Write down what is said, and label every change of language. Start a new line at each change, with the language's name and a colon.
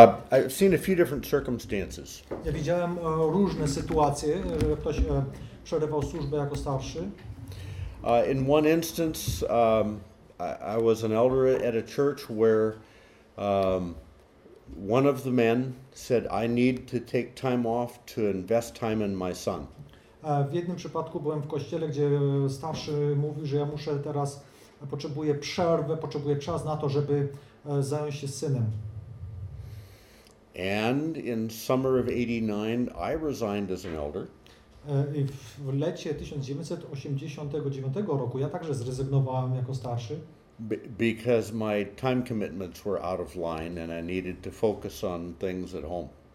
English: I've seen a few different circumstances.
Polish: Ja widziałem różne sytuacje, że ktoś przerywał służbę jako starszy.
English: In one instance, I was an elder at a church where one of the men said, I need to take time off to invest time in my son.
Polish: W jednym przypadku byłem w kościele, gdzie starszy mówił, że ja muszę teraz, potrzebuję przerwy, potrzebuję czas na to, żeby zająć się synem.
English: And in summer of 89, I resigned as an elder.
Polish: I w lecie 1989 roku ja także zrezygnowałem jako starszy.
English: Because my time commitments were out of line and I needed to focus on things at home.